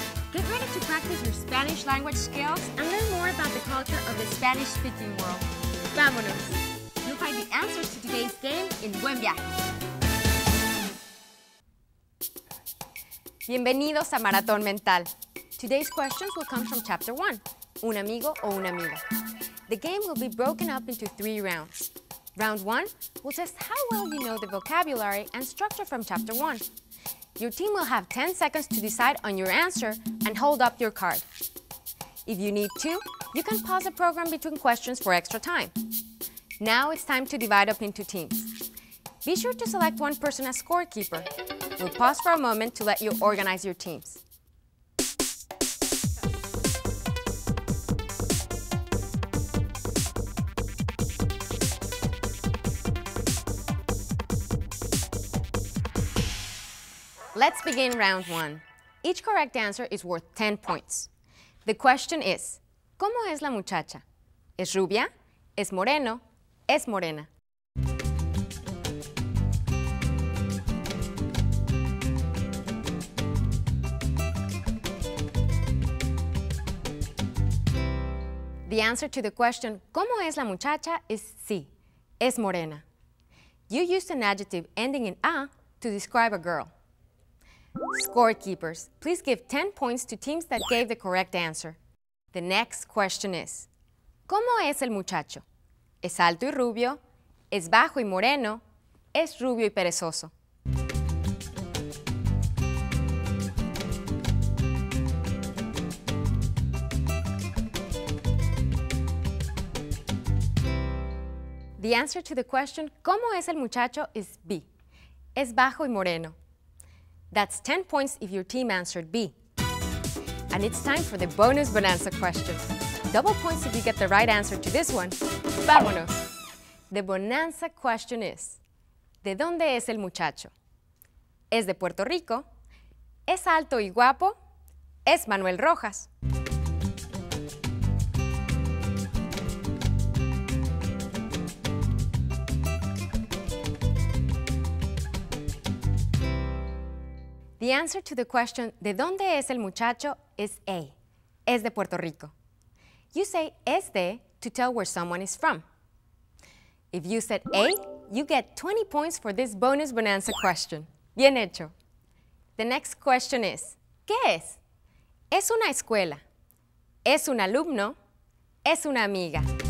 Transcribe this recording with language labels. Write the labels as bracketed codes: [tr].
[en] Get ready to practice your Spanish language skills and learn more about the culture of the Spanish-speaking world. [es] ¡Vámonos! [en] You'll find the answers to today's game in Buen Viaje. [es] Bienvenidos a Maratón Mental. [en] Today's questions will come from Chapter 1, Un Amigo o Una Amiga. The game will be broken up into three rounds. Round 1 will test how well you know the vocabulary and structure from Chapter 1. Your team will have 10 seconds to decide on your answer and hold up your card. If you need to, you can pause the program between questions for extra time. Now it's time to divide up into teams. Be sure to select one person as scorekeeper. We'll pause for a moment to let you organize your teams. Let's begin round 1. Each correct answer is worth 10 points. The question is, [es] ¿cómo es la muchacha? ¿Es rubia? ¿Es moreno? ¿Es morena? [en] The answer to the question, [es] ¿cómo es la muchacha? Is sí, es morena. [en] You used an adjective ending in a to describe a girl. Scorekeepers, please give 10 points to teams that gave the correct answer. The next question is, [es] ¿cómo es el muchacho? ¿Es alto y rubio? ¿Es bajo y moreno? ¿Es rubio y perezoso? [en] The answer to the question, [es] ¿cómo es el muchacho? Is B. Es bajo y moreno. [en] That's 10 points if your team answered B. And it's time for the bonus bonanza question. Double points if you get the right answer to this one. [es] ¡Vámonos! [en] The bonanza question is, [es] ¿de dónde es el muchacho? ¿Es de Puerto Rico? ¿Es alto y guapo? ¿Es Manuel Rojas? [en] The answer to the question, [es] ¿de dónde es el muchacho? Is A. Es de Puerto Rico. [en] You say es de to tell where someone is from. If you said A, you get 20 points for this bonus bonanza question. [es] Bien hecho. [en] The next question is, [es] ¿qué es? ¿Es una escuela? ¿Es un alumno? ¿Es una amiga?